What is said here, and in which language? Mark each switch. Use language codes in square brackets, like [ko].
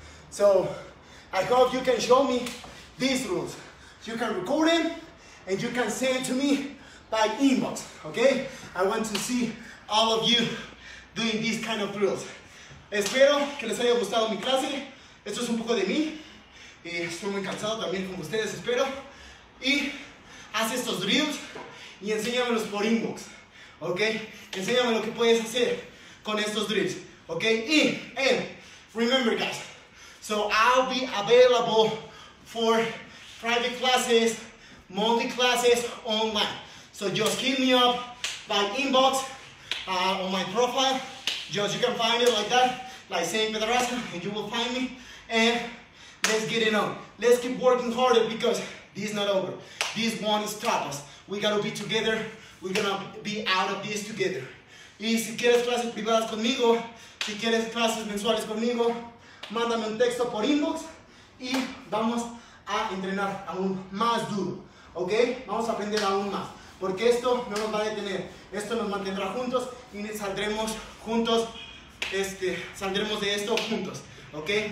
[en] So I hope you can show me these rules. You can record it and you can send it to me by inbox, okay? I want to see all of you doing these kind of drills. [es] Espero que les haya gustado mi clase. Esto es un poco de mí. Estoy muy cansado también como ustedes, espero. Y haz estos drills y enséñamelos por inbox, ¿ok? Enséñame lo que puedes hacer con estos drills, ¿ok? [en] And remember, guys, so I'll be available for private classes, monthly classes online. So just hit me up by inbox on my profile. Just you can find it like that, like Zain Pedraza, and you will find me. And let's get it on. Let's keep working harder because this is not over. This won't stop us. We gotta be together. We're gonna be out of this together. [es] Y si quieres clases privadas conmigo, si quieres clases mensuales conmigo, mándame un texto por inbox y vamos a entrenar aún más duro, ¿ok? Vamos a aprender aún más, porque esto no nos va a detener. Esto nos mantendrá juntos y saldremos juntos, saldremos de esto juntos, ¿ok?